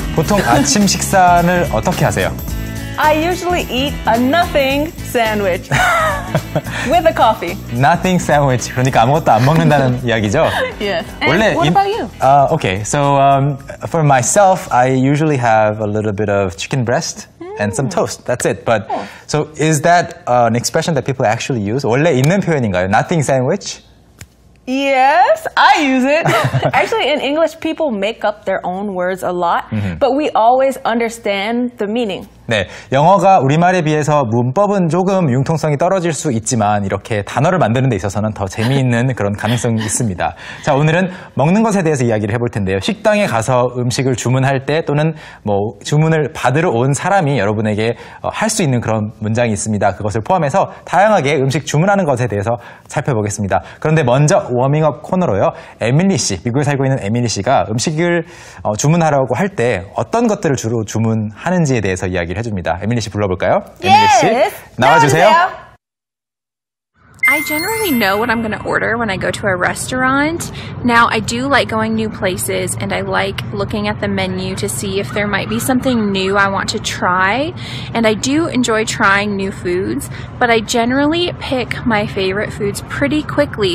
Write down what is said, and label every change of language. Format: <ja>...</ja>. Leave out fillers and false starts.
<ko>보통 아침 식사를 어떻게 하세요?</ko> <en>I usually eat a nothing sandwich with a coffee. Nothing sandwich.</en> <ko>그러니까 아무것도 안 먹는다는 이야기죠?</ko> <en>Yes. And 원래 what about you? Okay. So for myself, I usually have a little bit of chicken breast and some toast. That's it. But so is that an expression that people actually use?</en> <ko>원래 있는 표현인가요?</ko> <en>Nothing sandwich? Yes, I use it. Actually, in English, people make up their own words a lot, but we always understand the meaning.</en> <ko>네, 영어가 우리말에 비해서 문법은 조금 융통성이 떨어질 수 있지만 이렇게 단어를 만드는 데 있어서는 더 재미있는 그런 가능성이 있습니다. 자, 오늘은 먹는 것에 대해서 이야기를 해볼 텐데요. 식당에 가서 음식을 주문할 때 또는 뭐 주문을 받으러 온 사람이 여러분에게 할 수 있는 그런 문장이 있습니다. 그것을 포함해서 다양하게 음식 주문하는 것에 대해서 살펴보겠습니다. 그런데 먼저 워밍업 코너로요. 에밀리 씨, 미국에 살고 있는 에밀리 씨가 음식을 주문하라고 할 때 어떤 것들을 주로 주문하는지에 대해서 이야기를 해줍니다. 에밀리 씨 불러볼까요? 에밀리 씨, 나와주세요.</ko> <en>I generally know what I'm going to order when I go to a restaurant. Now, I do like going new places, and I like looking at the menu to see if there might be something new I want to try. And I do enjoy trying new foods, but I generally pick my favorite foods pretty quickly.</en>